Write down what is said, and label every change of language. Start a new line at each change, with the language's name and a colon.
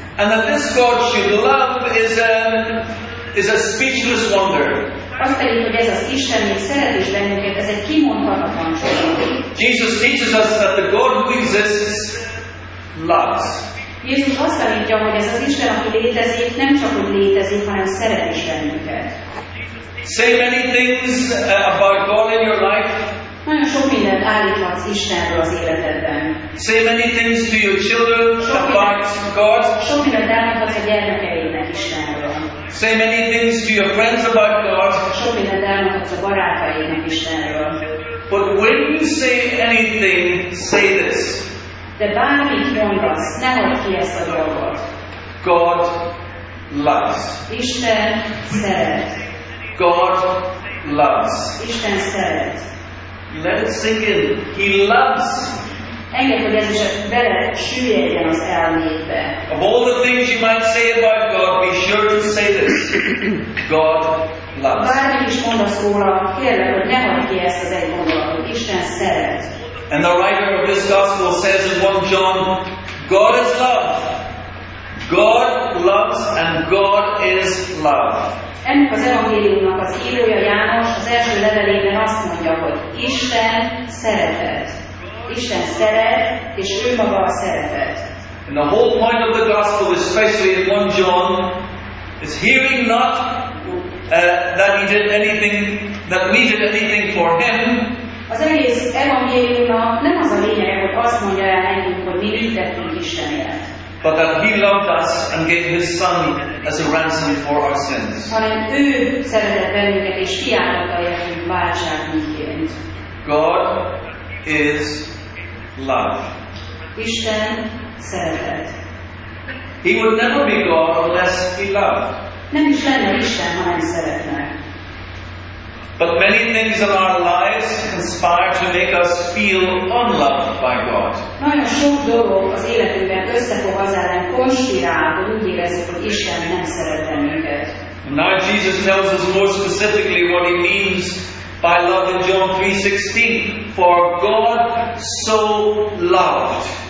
English: And that this God should love is a speechless wonder.
Hungarian: Azt pedig, hogy ez az Isten még szeret is bennünket, ez egy kimondhatatlan csodálat.
English: Jesus teaches us that the God who exists loves.
Hungarian: Jézus azt tanítja, hogy ez az Isten, aki létezik, nem csak úgy létezik, hanem szeret is bennünket.
English: Say many things about God in your life.
Hungarian: Nagyon sok mindent állíthatsz Istenről az életedben.
English: Say many things to your children about God.
Hungarian: Sok mindent állíthatsz a gyermekeidnek Istenről.
English: Say many things to your friends about God.
Hungarian: Sok mindent állíthatsz a barátaidnak Istenről.
English: But when you say anything, say this.
Hungarian: De bármit mondasz, ne hagyd ki ezt a dolgot.
English: God loves.
Hungarian: Isten szeret.
English: God loves.
Hungarian: Isten szeret.
English: Let it sink in. He loves.
Hungarian: Engedd, hogy ez is bele süllyedjen az elmédbe.
English: Of all the things you might say about God, be sure to say this. God loves.
Hungarian: Bármit is mondasz róla, kérlek, hogy ne hagyd ki ezt az egy gondolatot. Isten szeret.
English: And the writer of this gospel says in 1 John, God is love. God loves and God is love.
Hungarian: Ennek az evangéliumnak az írója János az első levelében azt mondja, hogy Isten szeretet. Isten szeret, és ő maga a szeretet.
English: And the whole point of the gospel, especially in 1 John, is hearing not that he did anything, that we did anything for him.
Hungarian: Az egész evangéliumnak nem az a lényeg, hogy azt mondja el nekünk, hogy mi mit tettünk Istenért.
English: But that he loved us and gave his son as a ransom for our sins.
Hungarian: Hanem ő szeretett bennünket és kiáltotta értünk váltságunkért.
English: God is love.
Hungarian: Isten szeretet.
English: He would never be God unless he loved.
Hungarian: Nem is lenne Isten, ha nem szeretne.
English: But many things in our lives conspire to make us feel unloved by God.
Hungarian: Nagyon sok dolog az életünkben összefog az ellen konspirál, hogy úgy érezzük, hogy Isten nem szeret bennünket.
English: Now Jesus tells us more specifically what he means by love in John 3:16. For God so loved.